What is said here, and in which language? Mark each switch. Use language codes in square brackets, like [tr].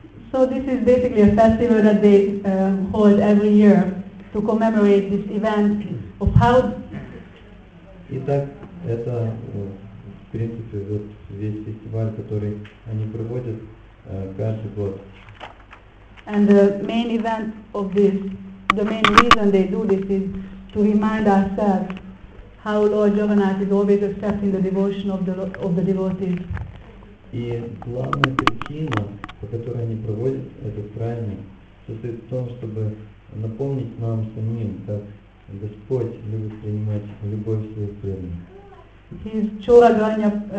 [en] So this is basically a festival that they hold every year to commemorate this event of how. [ru] Итак, это в принципе вот весь фестиваль, который они проводят каждый год. [en] And the main event of this, the main reason they do this is to remind ourselves how Lord Jagannath is always accepting the devotion of the devotees. [ru] И главная причина, по которой они проводят этот праздник, состоит в том, чтобы напомнить нам самим, как Господь любит принимать любовь своих преданных.